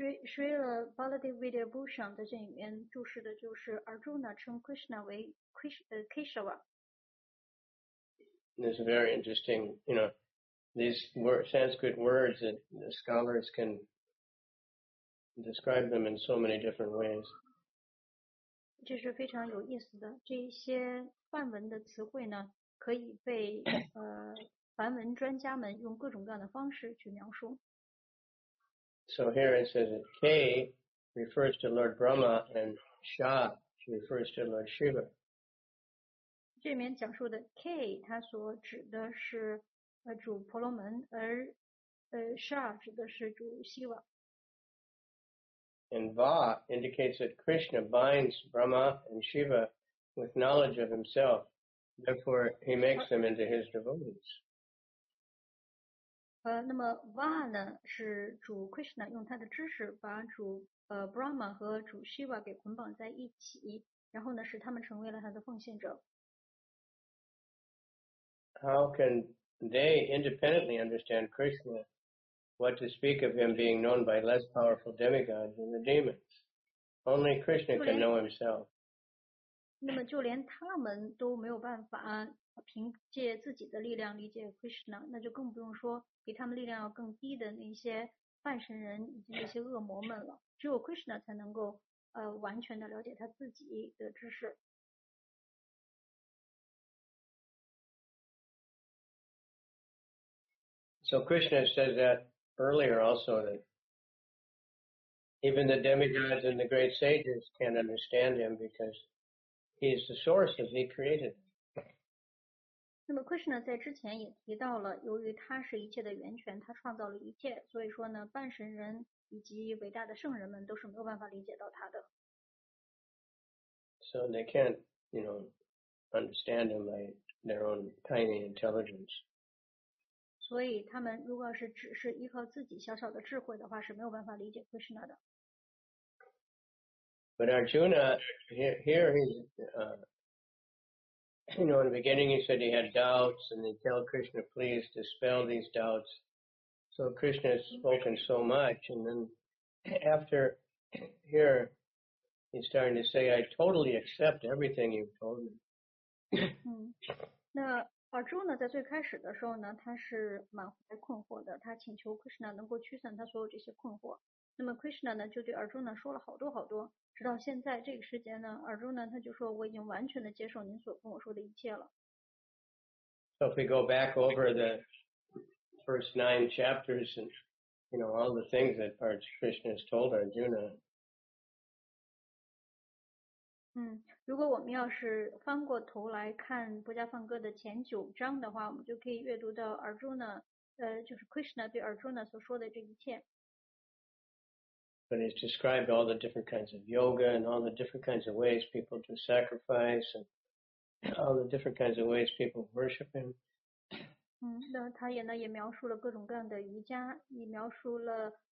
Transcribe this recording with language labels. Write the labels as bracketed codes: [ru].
[zh] Srila Baladev Vijayabhusan 在这里面注释的就是Arjuna 称 Krishna 为 Keshava. [en] This is very interesting, you know. These Sanskrit words that the scholars can describe them in so many different ways. [zh] 这是非常有意思的，这些梵文的词汇呢，可以被梵文专家们用各种各样的方式去描述。So [en] here it says that K refers to Lord Brahma and Sha refers to Lord Shiva. [zh] 这里面讲述的 K 它所指的是主婆罗门，而Sha 指的是主希瓦。 [en] And Va indicates that Krishna binds Brahma and Shiva with knowledge of himself, therefore he makes them into his devotees. [zh] 那么 Va 呢是主 Krishna 用他的知识把主Brahma 和主 Shiva 给捆绑在一起，然后呢使他们成为了他的奉献者。 [en] How can they independently understand Krishna? What to speak of him being known by less powerful demigods than the demons? Only Krishna can know himself. [zh] 那么就连他们都没有办法凭借自己的力量理解 Krishna， 那就更不用说比他们力量要更低的那些半神人以及那些恶魔们了。只有 Krishna 才能够完全的了解他自己的知识。 [en] So Krishna says that earlier also that even the demigods and the great sages can't understand him because he is the source as he created. [zh] 那么 Krishna 在之前也提到了，由于他是一切的源泉，他创造了一切，所以说呢，半神人以及伟大的圣人们都是没有办法理解到他的。 [en] So they can't, you know, understand him by their own tiny intelligence. [zh] 所以他们如果是只是依靠自己小小的智慧的话，是没有办法理解 Krishna 的。 [en] But Arjuna, here he's, you know, in the beginning he said he had doubts, and they tell Krishna, please dispel these doubts. So Krishna has spoken so much, and then after here, he's starting to say, I totally accept everything you've told me. [zh] 那Arjuna 在最开始的时候呢，他是满怀困惑的，他请求 Krishna 能够驱散他所有这些困惑。那么 Krishna 呢，就对 Arjuna 说了好多好多。直到现在这个时间呢， Arjuna 他就说，我已经完全的接受您所跟我说的一切了。 [en] So if we go back over the first 9 chapters and you know all the things that parts Krishna has told Arjuna. [zh] 如果我们要是翻过头来看《波迦梵歌》的前九章的话，我们就可以阅读到 Arjuna， 就是 Krishna 对 Arjuna 所说的这一切。 [en] But it's described all the different kinds of yoga and all the different kinds of ways people do sacrifice and all the different kinds of ways people worship him. [zh] 那他也呢也描述了各种各样的瑜伽，也描述了。